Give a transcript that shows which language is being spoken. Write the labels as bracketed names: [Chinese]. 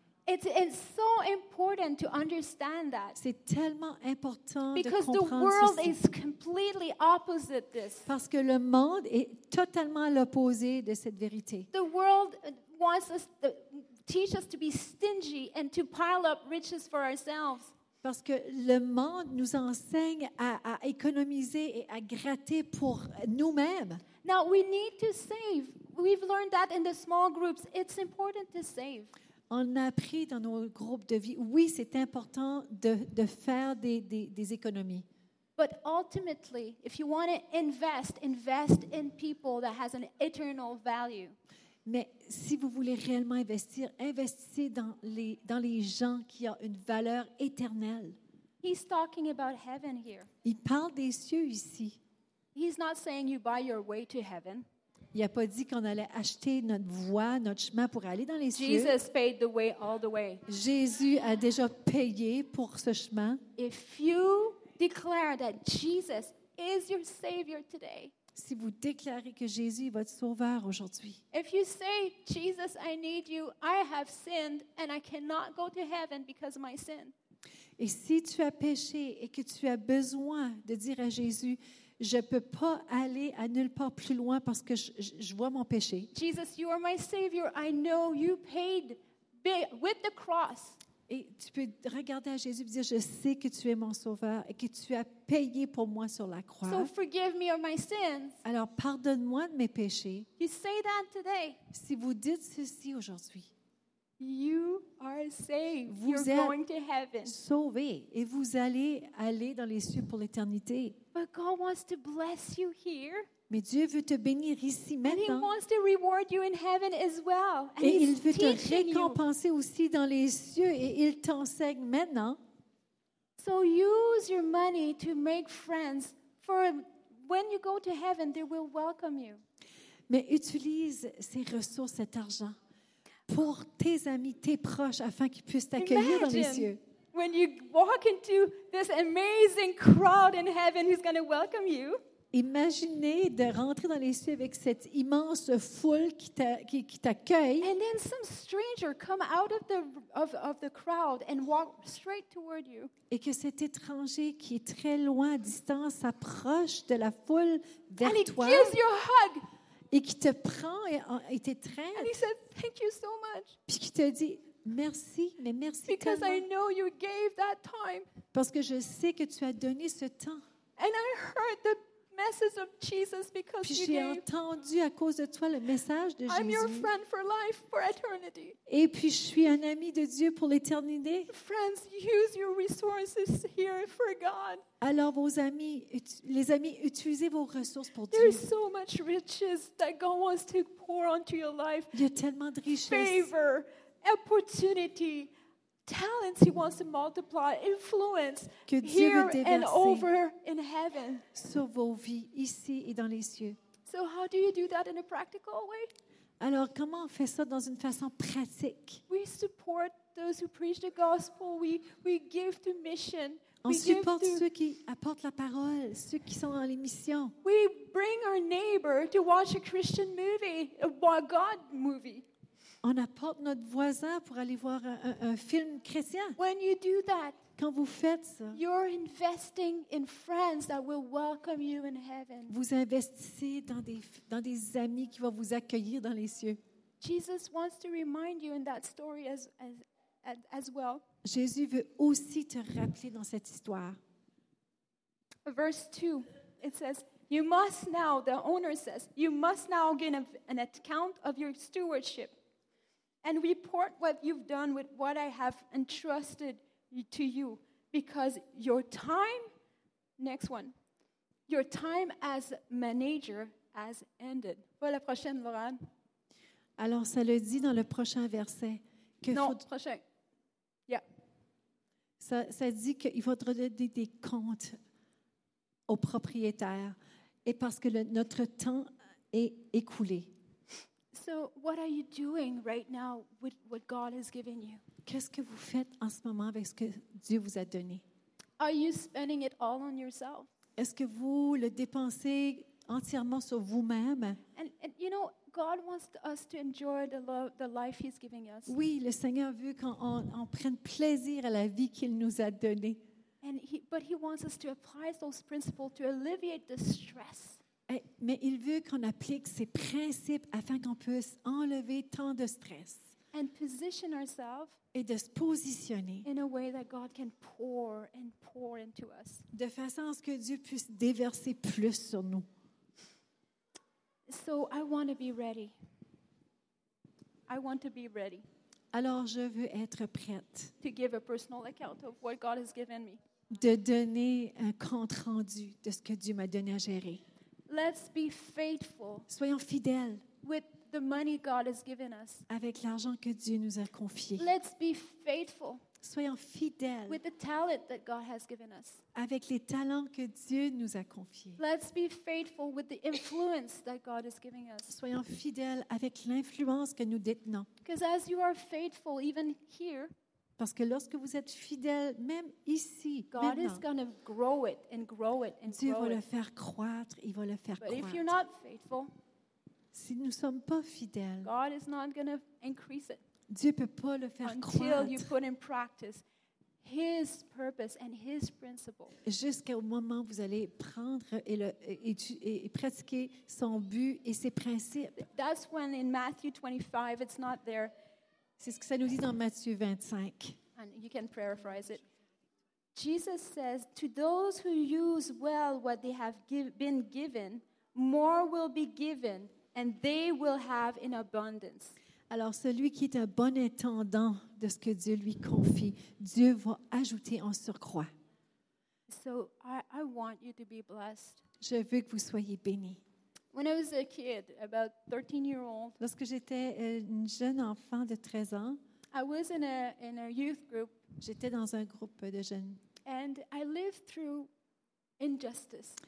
[English] It's so important to understand that. [French] C'est tellement important [English] because [French] de comprendre [English] the world [French] ceci. [English] Is completely opposite this. [French] Parce que le monde est totalement à l'opposé de cette vérité. [English] The world wants us to teach us to be stingy and to pile up riches for ourselves. [French] Parce que le monde nous enseigne à économiser et à gratter pour nous-mêmes. [English] Now we need to save. We've learned that in the small groups. It's important to save. [French] On a appris dans nos groupes de vie, oui, c'est important de faire des économies. [English] But ultimately, if you want to invest in people that has an eternal value. [French] Mais si vous voulez réellement investir, investissez dans les gens qui ont une valeur éternelle. [English] He's talking about heaven here. [French] Il parle des cieux ici. [English] He's not saying you buy your way to heaven. [French] Il n'a pas dit qu'on allait acheter notre voie, notre chemin pour aller dans les cieux. [English] Jesus paid the way all the way. [French] Jésus a déjà payé pour ce chemin. [English] If you declare that Jesus is your savior today, [French] si vous déclarez que Jésus est votre sauveur aujourd'hui. [English] If you say, Jesus, I need you, I have sinned and I cannot go to heaven because of my sin. [French] Et si tu as péché et que tu as besoin de dire à Jésus, je ne peux pas aller à nulle part plus loin parce que je vois mon péché. [English] Jesus, you are my savior. I know you paid with the cross. [French] Et tu peux regarder à Jésus et dire, je sais que tu es mon sauveur et que tu as payé pour moi sur la croix. [English] So forgive me of my sins. [French] Alors pardonne-moi de mes péchés. [English] You say that today. [French] Si vous dites ceci aujourd'hui, [English] you are saved. [French] Vous [English] You're [French] êtes [English] going to heaven. [French] Sauvé et vous allez aller dans les cieux pour l'éternité. [English] But God wants to bless you here. [French] Mais Dieu veut te bénir ici maintenant. [English] And he wants to reward you in heaven as well. And [French] et il veut te récompenser aussi dans les cieux et il t'enseigne maintenant. [English] So use your money to make friends for when you go to heaven they will welcome you. [French] Mais utilise ces ressources, cet argent pour tes amis, tes proches, afin qu'ils puissent t'accueillir [English] Imagine [French] dans les cieux. [English] When you walk into this amazing crowd in heaven, who's going to welcome you? [French] Imaginez de rentrer dans les cieux avec cette immense foule qui t'accueille. [English] And then some stranger come out of the crowd and walk straight toward you. [French] Et que cet étranger qui est très loin à distance s'approche de la foule vers [English] and [French] toi. [English] And he gives you a hug. [French] Et qui te prend et t'étreint. [English] And he said, thank you so much. [French] Puis qui te dit merci, mais merci [English] Because [French] tellement. [English] I know you gave that time. [French] Parce que je sais que tu as donné ce temps. [English] And I heard the message of Jesus because [French] Puis [English] you [French] j'ai [English] gave. [French] Entendu à cause de toi le message de [English] I'm [French] Jésus. [English] I'm your friend for life, for eternity. [French] Et puis je suis un ami de Dieu pour l'éternité. [English] Friends, use your resources here for God. [French] Alors vos amis, les amis, utilisez vos ressources pour [English] There's [French] Dieu. [English] There's so much riches that God wants to pour onto your life. [French] Il y a tellement de richesses. [English] Favor, opportunity, talents he wants to multiply, influence here and over in heaven. [French] Sur vos vies ici et dans les cieux. [English] So how do you do that in a practical way? [French] Alors comment on fait ça dans une façon pratique? [English] We support those who preach the gospel. We give to mission. [French] On supporte ceux qui apportent la parole, ceux qui sont dans les missions. [English] We bring our neighbor to watch a Christian movie, a God movie. [French] On apporte notre voisin pour aller voir un film chrétien. [English] When you do that, [French] quand vous faites ça, [English] you're investing in friends that will welcome you in heaven. [French] Vous investissez dans des amis qui vont vous accueillir dans les cieux. [English] Jesus wants to remind you in that story as well. [French] Jésus veut aussi te rappeler dans cette histoire. [English] Verse 2, it says, "You must now," the owner says, "you must now give an account of your stewardship and report what you've done with what I have entrusted to you because your time," next one, "your time as manager has ended." [French] Voilà la prochaine, Lorraine. Alors, ça le dit dans le prochain verset. Que non, faut... prochain. Ça dit qu'il faudra donner des comptes aux propriétaires et parce que notre temps est écoulé. [English] So what are you doing right now with what God has given you? [French] Qu'est-ce que vous faites en ce moment avec ce que Dieu vous a donné? [English] Are you spending it all on yourself? [French] Est-ce que vous le dépensez entièrement sur vous-même? [English] And you know, God wants us to enjoy the life He's giving us. [French] Oui, le Seigneur veut qu'on prenne plaisir à la vie qu'il nous a donnée. [English] But He wants us to apply those principles to alleviate the stress. [French] Mais il veut qu'on applique ces principes afin qu'on puisse enlever tant de stress. [English] And position ourselves. [French] Et de se positionner. [English] In a way that God can pour and pour into us. [French] De façon à ce que Dieu puisse déverser plus sur nous. [English] So I want to be ready. I want to be ready. [French] Alors je veux être prête. [English] To give a personal account of what God has given me. [French] De donner un compte rendu de ce que Dieu m'a donné à gérer. [English] Let's be faithful. [French] Soyons fidèles. [English] With the money God has given us. [French] Avec l'argent que Dieu nous a confié. [English] Let's be faithful. [French] Soyons fidèles. [English] With the talent that God has given us. [French] Avec les talents que Dieu nous a confiés. [English] Let's be faithful with the influence that God is giving us. [French] Soyons fidèles avec l'influence que nous détenons. [English] Because as you are faithful, even here, [French] Parce que lorsque vous êtes fidèle, même ici, [English] God is going to grow it and grow it and [French] Dieu [English] grow [French] va le faire croître, il va le faire [English] But [French] croître. [English] If you're not faithful, [French] si nous ne sommes pas fidèles, [English] God is not going to increase it. [French] Dieu peut pas le faire [English] until [French] croître. [English] You put in practice His purpose and His principle. [French] Jusqu'au moment où vous allez prendre et pratiquer son but et ses principes. [English] That's when in Matthew 25, it's not there. [French] C'est ce que ça nous dit dans Matthieu 25. [English] And you can paraphrase it. Jesus says, to those who use well what they have been given, more will be given, and they will have in abundance. [French] Alors, celui qui est un bon intendant de ce que Dieu lui confie, Dieu va ajouter en surcroît. [English] So, I want you to be blessed. [French] Je veux que vous soyez bénis. [English] When I was a kid, about 13-year-old, [French] lorsque j'étais une jeune enfant de 13 ans, [English] I was in a youth group. [French] J'étais dans un groupe de jeunes. [English] And I lived through injustice.